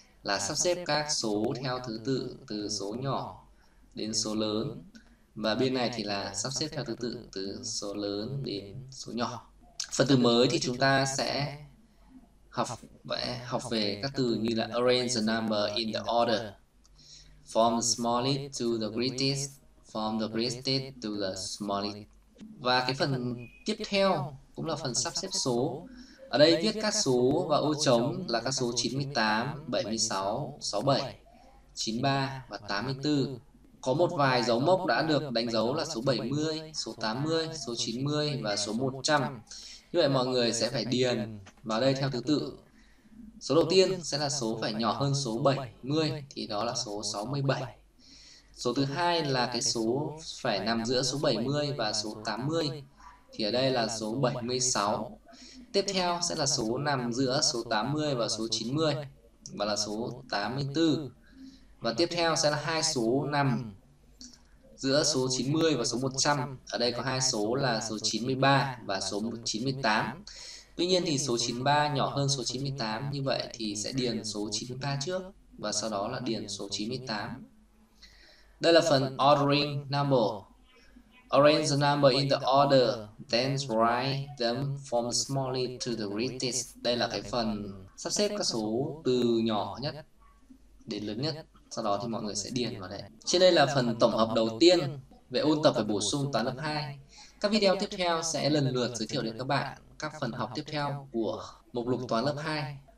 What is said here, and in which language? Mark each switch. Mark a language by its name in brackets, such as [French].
[Vietnamese] là sắp xếp các số theo thứ tự từ số nhỏ đến số lớn. Và bên này thì là sắp xếp theo thứ tự từ số lớn đến số nhỏ. Phần từ mới thì chúng ta sẽ học về các từ như là [English] arrange the number in the order. From the smallest to the greatest, from the greatest to the smallest. [Vietnamese] Và cái phần tiếp theo cũng là phần sắp xếp số. Ở đây viết các số và ô trống là các số 98, 76, 67, 93 và 84. Có một vài dấu mốc đã được đánh dấu là số 70, số 80, số 90 và số 100. Như vậy mọi người sẽ phải điền vào đây theo thứ tự. Số đầu tiên sẽ là số phải nhỏ hơn số 70 thì đó là số 67. Số thứ hai là cái số phải nằm giữa số 70 và số 80 thì ở đây là số 76. Tiếp theo sẽ là số nằm giữa số 80 và số 90 và là số 84. Và tiếp theo sẽ là hai số nằm giữa số 90 và số 100. Ở đây có hai số là số 93 và số 98. Tuy nhiên thì số 93 nhỏ hơn số 98, như vậy thì sẽ điền số 93 trước và sau đó là điền số 98. Đây là phần ordering number. [English] Arrange the number in the order, then write them from smallest to the greatest. [Vietnamese] Đây là cái phần sắp xếp các số từ nhỏ nhất đến lớn nhất. Sau đó thì mọi người sẽ điền vào đây. Trên đây là phần tổng hợp đầu tiên về ôn tập và bổ sung toán lớp 2. Các video tiếp theo sẽ lần lượt giới thiệu đến các bạn các phần học tiếp theo của mục lục toán lớp 2.